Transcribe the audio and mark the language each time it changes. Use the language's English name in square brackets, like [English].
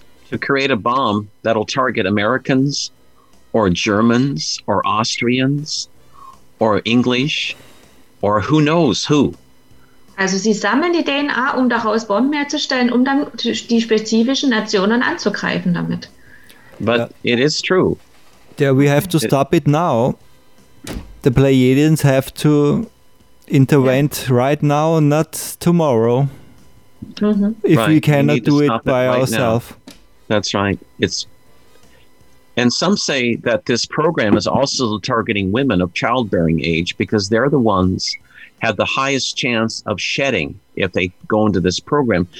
[English] To create a bomb that'll target Americans or Germans, or Austrians, or English, or who knows who. [German] Also sie sammeln die DNA, um daraus Bomben herzustellen, um dann die spezifischen Nationen anzugreifen damit. [English] But it is true. Yeah, we have to stop it now. The Pleiadians have to intervene right now, not tomorrow. Mm-hmm. If we cannot do it by ourselves. That's right. And some say that this program is also targeting women of childbearing age because they're the ones have the highest chance of shedding if they go into this program.